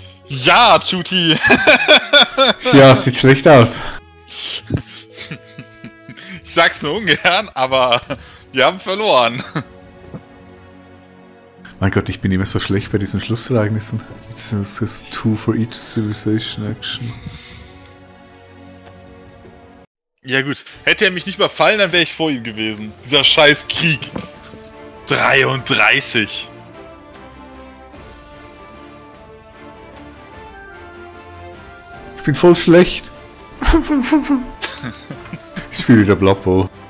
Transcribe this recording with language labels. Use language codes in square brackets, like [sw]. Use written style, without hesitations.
[de] Ja, Chuti! Ja, sieht schlecht aus. Ich sag's nur ungern, aber wir haben verloren. Mein Gott, ich bin immer so schlecht bei diesen Schlussereignissen. [en] It's just two for each civilization action. [de] Ja gut, hätte er mich nicht überfallen, dann wäre ich vor ihm gewesen. Dieser scheiß Krieg. 33. Ich bin voll schlecht. Ich spiele wieder Blood Bowl.